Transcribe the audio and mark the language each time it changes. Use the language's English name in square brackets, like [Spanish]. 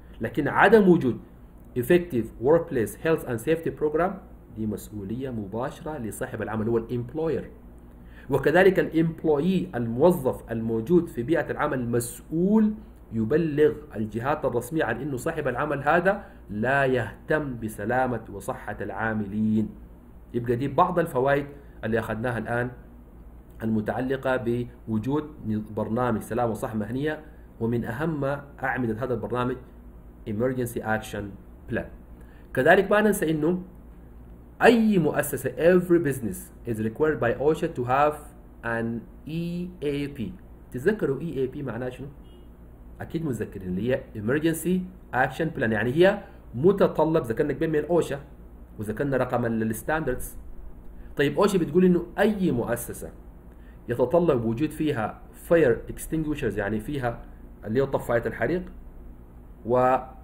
[Arabic] لكن عدم وجود [English] effective workplace health and safety program [Arabic] دي مسؤوليه مباشره لصاحب العمل هو الامبلوير، وكذلك الامبلوي الموظف الموجود في بيئه العمل المسؤول يبلغ الجهات الرسمية عن أنه صاحب العمل هذا لا يهتم بسلامة وصحة العاملين. يبقى دي بعض الفوائد اللي أخذناها الآن المتعلقة بوجود برنامج سلامة وصحة مهنية، ومن أهم أعمدة هذا البرنامج Emergency Action Plan. كذلك ما ننسى أنه أي مؤسسة [English] Every business is required by OSHA to have an EAP. [Arabic] تذكروا EAP معناه شنو؟ اكيد متذكرين، اللي هي ايمرجنسي اكشن بلان، يعني هي متطلب ذكرنا قبل من اوشا وذكرنا رقم الستاندردز. طيب اوشا بتقول انه اي مؤسسه يتطلب وجود فيها فاير اكستنجوشرز، يعني فيها اللي هي طفايه الحريق، و